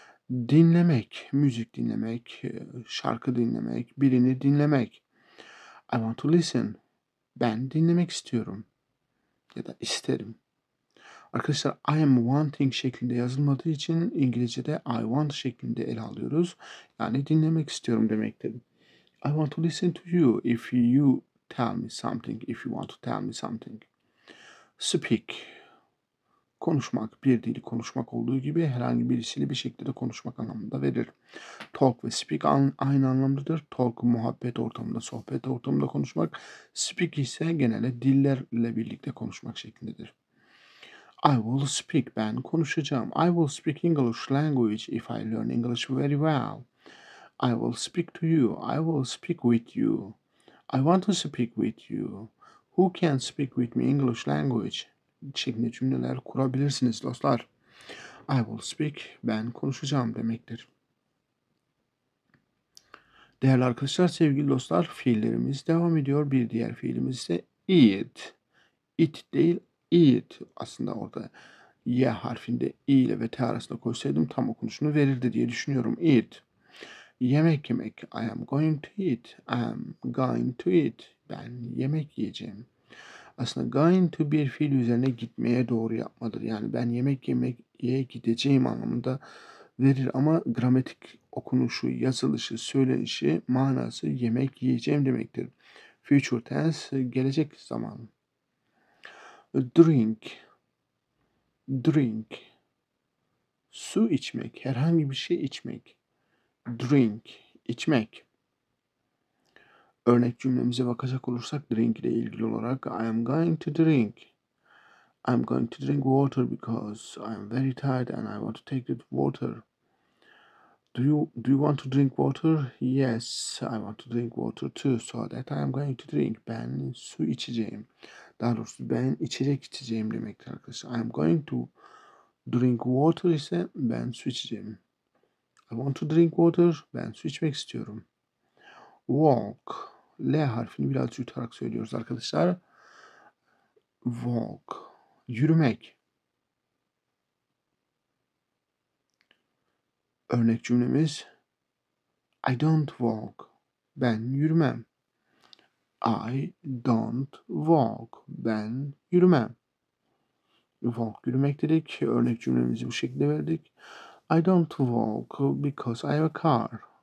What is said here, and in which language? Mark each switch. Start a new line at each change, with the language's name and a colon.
Turkish: Dinlemek. Müzik dinlemek. Şarkı dinlemek. Birini dinlemek.
English: I want to listen.
Turkish: Ben dinlemek istiyorum. Ya da isterim. Arkadaşlar
English: I am wanting
Turkish: şeklinde yazılmadığı için İngilizce'de
English: I want
Turkish: şeklinde ele alıyoruz. Yani dinlemek istiyorum demektir.
English: I want to listen to you if you tell me something. If you want to tell me something. Speak. Konuşmak.
Turkish: Bir dili konuşmak olduğu gibi herhangi birisiyle bir şekilde konuşmak anlamında verir. Talk ve speak aynı anlamlıdır. Talk muhabbet ortamında, sohbet ortamında konuşmak. Speak ise genelde dillerle birlikte konuşmak şeklindedir.
English: I will speak.
Turkish: Ben konuşacağım.
English: I will speak English language if I learn English very well. I will speak to you. I will speak with you. I want to speak with you. Who can speak with me English language?
Turkish: Şeklinde cümleler kurabilirsiniz dostlar.
English: I will speak.
Turkish: Ben konuşacağım demektir. Değerli arkadaşlar, sevgili dostlar, fiillerimiz devam ediyor. Bir diğer fiilimiz ise eat. It değil, eat. Aslında orada y harfinde i ile ve t arasında koysaydım tam okunuşunu verirdi diye düşünüyorum.
English: Eat.
Turkish: Yemek yemek.
English: I am going to eat. I am going to eat.
Turkish: Ben yemek yiyeceğim. Aslında going to bir fiil üzerine gitmeye doğru yapmadır. Yani ben yemek yemeye gideceğim anlamında verir ama gramatik okunuşu, yazılışı, söylenişi, manası yemek yiyeceğim demektir.
English: Future tense,
Turkish: gelecek zaman.
English: Drink. Drink.
Turkish: Su içmek, herhangi bir şey içmek. Drink, içmek. Örnek cümlemize bakacak olursak drink ile ilgili olarak
English: I am going to drink. I am going to drink water because I am very tired and I want to take the water. Do you want to drink water? Yes, I want to drink water too. So that I am going to drink.
Turkish: Ben su içeceğim. Daha doğrusu ben içecek içeceğim demektir arkadaşlar.
English: I am going to drink water
Turkish: ise ben su içeceğim.
English: I want to drink water.
Turkish: Ben su içmek istiyorum.
English: Walk.
Turkish: L harfini biraz yutarak söylüyoruz arkadaşlar. Walk. Yürümek. Örnek cümlemiz.
English: I don't walk.
Turkish: Ben yürümem.
English: I don't walk.
Turkish: Ben yürümem. Walk yürümek dedik. Örnek cümlemizi bu şekilde verdik.
English: I don't walk because I have a car.